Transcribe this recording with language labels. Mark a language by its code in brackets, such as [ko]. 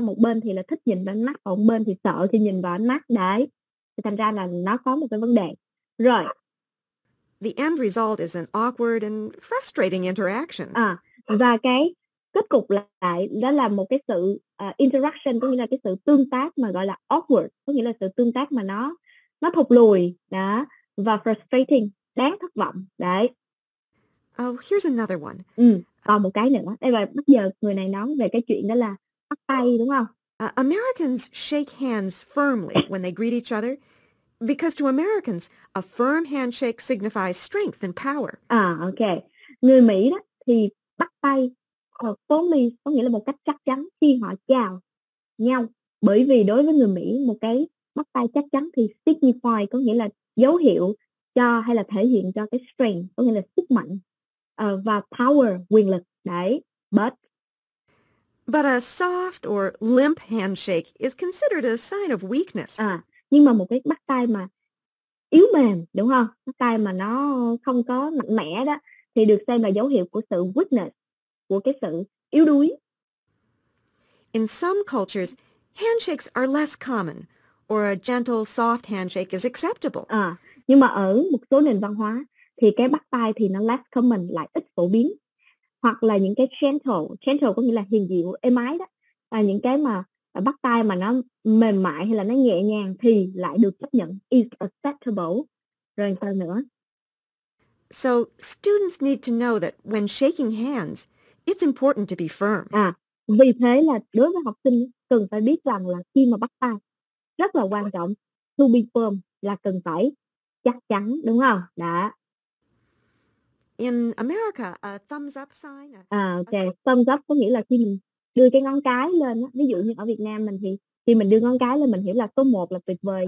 [vi] Một bên thì là thích nhìn vào ánh mắt, còn một bên thì sợ khi nhìn vào ánh mắt. Đấy. Thì thành ra là nó có một cái vấn đề. Rồi. [en] The end result is an awkward and frustrating interaction. [vi] À, và cái kết cục lại đó là một cái sự interaction, có nghĩa là cái sự tương tác mà gọi là awkward, có nghĩa là sự tương tác mà nó thụt lùi đó, và frustrating, đáng thất vọng đấy. [en] Oh, here's another one. [vi] Ừ, còn một cái nữa. Đây là bây giờ người này nói về cái chuyện đó là bắt tay đúng không? [en] Americans shake hands firmly when they greet each other, because to Americans, a firm handshake signifies strength and power. À, ok. [vi] Người Mỹ đó thì bắt tay firmly có nghĩa là một cách chắc chắn khi họ chào nhau. Bởi vì đối với người Mỹ, một cái bắt tay chắc chắn thì signify có nghĩa là dấu hiệu cho hay là thể hiện cho cái strength, có nghĩa là sức mạnh. Và power, quyền lực. Đấy. But [en] a soft or limp handshake is considered a sign of weakness. [vi] À, nhưng mà một cái bắt tay mà yếu mềm, đúng không? Bắt tay mà nó không có mạnh mẽ đó, thì được xem là dấu hiệu của sự weakness, của cái sự yếu đuối. [en] In some cultures, handshakes are less common, or a gentle, soft handshake is acceptable. [vi] À, nhưng mà ở một số nền văn hóa, thì cái bắt tay thì nó [en] less common, [vi] lại ít phổ biến. Hoặc là những cái gentle có nghĩa là hiền dịu, êm ái đó, là những cái mà bắt tay mà nó mềm mại hay là nó nhẹ nhàng thì lại được chấp nhận, [en] is acceptable. [vi] Rồi sao nữa? [en] So, students need to know that when shaking hands, it's important to be firm. [vi] À, vì thế là đối với học sinh cần phải biết rằng là khi mà bắt tay rất là quan trọng, [en] to be firm [vi] là cần phải chắc chắn, đúng không? Đã. [en] In America, a thumbs up sign. À, ok. [vi] Thumbs up có nghĩa là khi mình đưa cái ngón cái lên. Ví dụ như ở Việt Nam mình thì khi mình đưa ngón cái lên mình hiểu là số 1 là tuyệt vời.